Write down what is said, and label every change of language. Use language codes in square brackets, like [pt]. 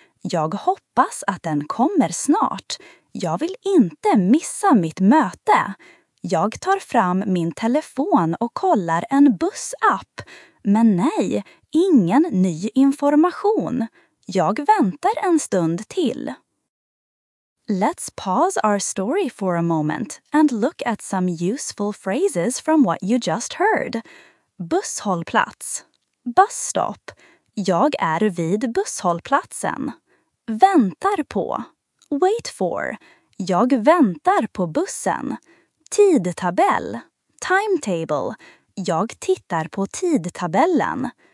[sv] Jag hoppas att den kommer snart. Jag vill inte missa mitt möte. Jag tar fram min telefon och kollar en bussapp. Men nej, ingen ny information. Jag väntar en stund till. [en] Let's pause our story for a moment and look at some useful phrases from what you just heard. [sv] Busshållplats. [en] Bus stop. [sv] Jag är vid busshållplatsen. Väntar på. [en] Wait for. [sv] Jag väntar på bussen. Tidtabell. [en] Timetable. [sv] Jag tittar på tidtabellen.